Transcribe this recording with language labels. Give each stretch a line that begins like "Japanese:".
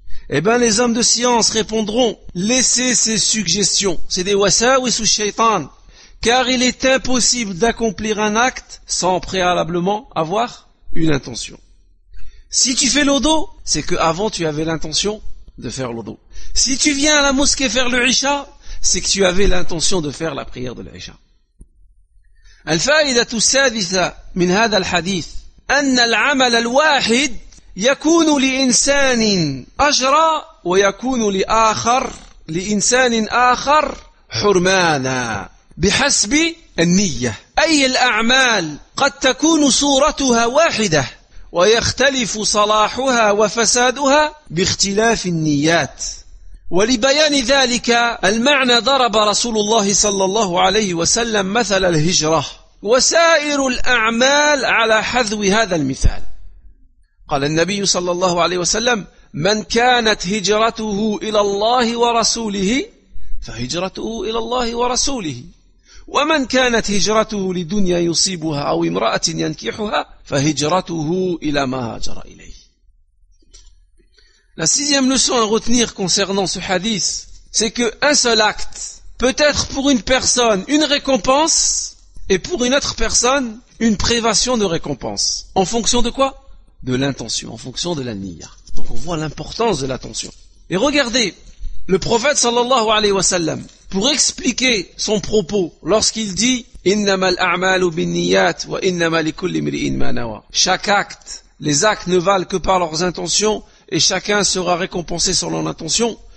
French: Eh bien, les hommes de science répondront, laissez ces suggestions, c'est des wasawis ou shaitan, car il est impossible d'accomplir un acte sans préalablement avoir une intention. Si tu fais l'odo, c'est que avant tu avais l'intention de faire l'odo. Si tu viens à la mosquée faire le isha, c'est que tu avais l'intention de faire la prière de l'isha.
Arabic: Al-fa'idatu sadisa min hada al-hadith, anna al-amal al-wahid, يكون لإنسان أجر ويكون لآخر لإنسان آخر حرمانا بحسب النية أي الأعمال قد تكون صورتها واحدة ويختلف صلاحها وفسادها باختلاف النيات ولبيان ذلك المعنى ضرب رسول الله صلى الله عليه وسلم مثل الهجرة وسائر الأعمال على حذو هذا المثال قال النبي صلى الله عليه وسلم من كانت هجرته إلى الله ورسوله فهجرته إلى الله ورسوله ومن كانت هجرته لدنيا يصيبها أو امرأة ينكحها فهجرته إلى ما هاجر إليه.
French: La sixième leçon à retenir concernant ce hadith, c'est que un seul acte peut être pour une personne une récompense et pour une autre personne une privation de récompense. En fonction de quoi? De l'intention, en fonction de la niya. Donc on voit l'importance de l'attention. Et regardez, le prophète sallallahu alayhi wa sallam, pour expliquer son propos, lorsqu'il dit «
Arabic: Innama al-a'malu bin-niyyat wa innama likulli imri'in ma nawa
French: » Chaque acte, les actes ne valent que par leurs intentions et chacun sera récompensé selon l'intention.